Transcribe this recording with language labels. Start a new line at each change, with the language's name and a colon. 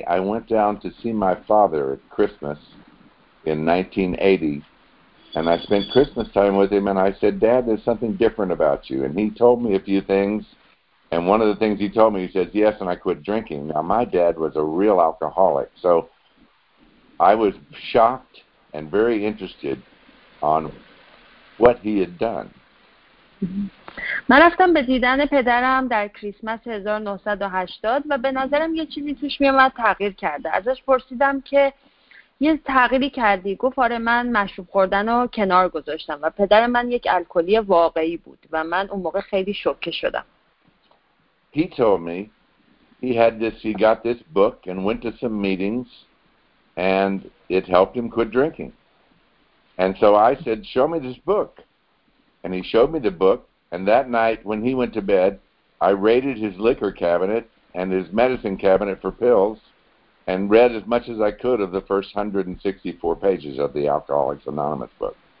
English: I went down to see my father at Christmas in 1980, and I spent Christmas time with him, and I said, Dad, there's something different about you. And he told me a few things, and one of the things he told me, he says, yes, and I quit drinking. Now, my dad was a real alcoholic, so I was shocked and very interested on what he had done.
Persian: من رفتم به دیدن پدرم در کریسمس 1980 و به نظرم یه چیزی توش میامد تغییر کرده. ازش پرسیدم که یه تغییری کردی؟ گفت آره، من مشروب خوردن رو کنار گذاشتم. و پدر من یک الکلی واقعی بود و من اون موقع خیلی شوکه شدم.
English: He told me he had this, he got this book and went to some meetings and it helped him quit drinking. And so I said, show me this book. And he showed me the book, and that night when he went to bed, I raided his liquor cabinet and his medicine cabinet for pills and read as much as I could of the first 164 pages of the Alcoholics Anonymous book.